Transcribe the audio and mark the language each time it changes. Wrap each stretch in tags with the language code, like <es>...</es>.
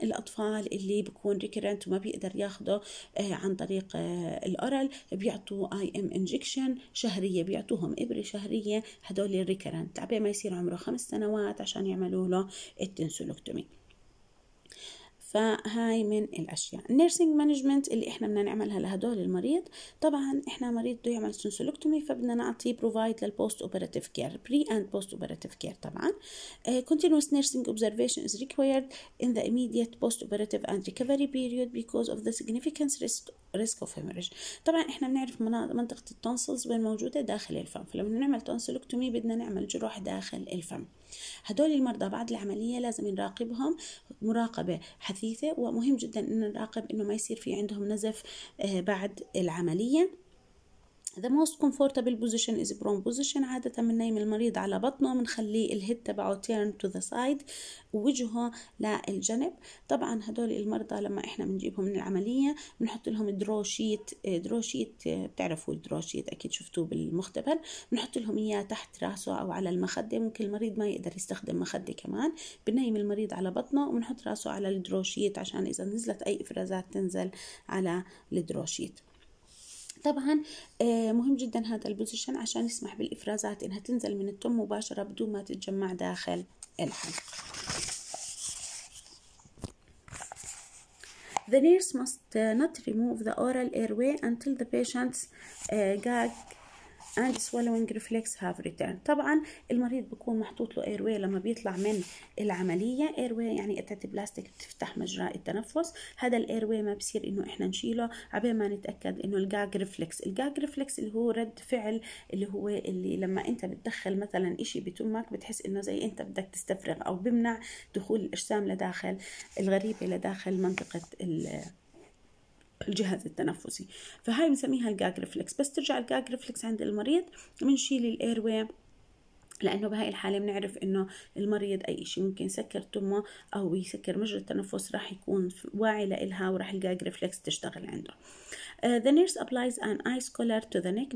<ar>الأطفال اللي بيكون recurrent وما بيقدر ياخده عن طريق الأورال بيعطوا</ar> <en>IM injection</en> <ar>شهرية، بيعطوهم إبرة شهرية هدول recurrent عبي ما يصير عمره خمس سنوات عشان يعملوا له التنسولكتومي. فهاي من الأشياء. النيرسينج مانجمنت اللي إحنا بدنا نعملها لهدول المريض، طبعا إحنا مريض بده يعمل تونسيلكتومي فبدنا نعطيه بروفايد للبوست أوبراتيف كير،</ar> <en>Pre and post operative care.</en> <ar>طبعا</ar> <en>continuous nursing observation is required in the immediate post operative and recovery period because of the significant risk of hemorrhage.</en> <ar>طبعا إحنا بنعرف منطقة التونسلز وين موجودة، داخل الفم، فلما نعمل تونسيلكتومي بدنا نعمل جروح داخل الفم. هدول المرضى بعد العملية لازم نراقبهم مراقبة حثيثة، ومهم جدا ان نراقب انه ما يصير في عندهم نزف بعد العملية.</ar> <en>The most comfortable position is prone position.</en> <ar>عادة من نايم المريض على بطنه، منخلي الهيد تبعه</ar> <en>turn to the side،</en> <ar>وجهه للجنب. طبعا هدول المرضى لما احنا منجيبهم من العملية منحط لهم دروشيت، دروشيت بتعرفوا الدروشيت اكيد شفتوه بالمختبر، منحط لهم اياه تحت راسه او على المخدة، ممكن المريض ما يقدر يستخدم مخدة كمان. بنايم المريض على بطنه ومنحط راسه على الدروشيت عشان اذا نزلت اي افرازات تنزل على الدروشيت. طبعا مهم جدا هذا البوزيشن عشان يسمح بالإفرازات انها تنزل من التم مباشرة بدون ما تتجمع داخل الحلق.</ar> <en>The nurse must not remove the oral airway until the patient's gag and swallowing reflex have returned.</en> <ar>طبعا المريض بكون محطوط له ايرواي لما بيطلع من العمليه. ايرواي يعني قطعه بلاستيك بتفتح مجرى التنفس. هذا الايرواي ما بصير انه احنا نشيله عبين ما نتاكد انه الجاج ريفلكس، الجاج ريفلكس اللي هو رد فعل اللي هو اللي لما انت بتدخل مثلا شيء بتمك بتحس انه زي انت بدك تستفرغ او بمنع دخول الاجسام لداخل الغريبه لداخل منطقه الجهاز التنفسي، فهاي بنسميها الجاج ريفلكس. بس ترجع الجاج ريفلكس عند المريض منشيل الايرواي لانه بهاي الحاله بنعرف انه المريض اي شيء ممكن يسكر تمه او يسكر مجرى التنفس راح يكون واعي لها وراح الجاج ريفلكس تشتغل عنده.</ar> <en>The nurse applies an ice collar to the neck.</en>